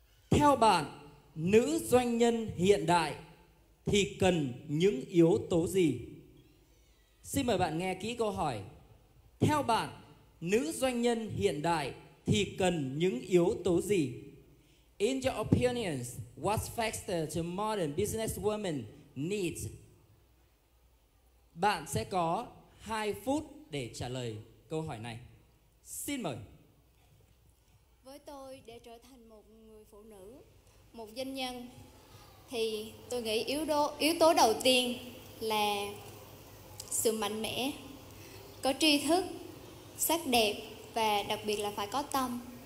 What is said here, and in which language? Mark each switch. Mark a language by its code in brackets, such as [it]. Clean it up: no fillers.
[vi] Theo bạn, nữ doanh nhân hiện đại thì cần những yếu tố gì? Xin mời bạn nghe kỹ câu hỏi. Theo bạn, nữ doanh nhân hiện đại thì cần những yếu tố gì? [en] In your opinions, what factor to modern businesswoman needs? [vi] Bạn sẽ có 2 phút để trả lời câu hỏi này. Xin mời. Với tôi, để trở thành một người phụ nữ, một doanh nhân, thì tôi nghĩ yếu tố đầu tiên là sự mạnh mẽ, có tri thức, sắc đẹp và đặc biệt là phải có tâm.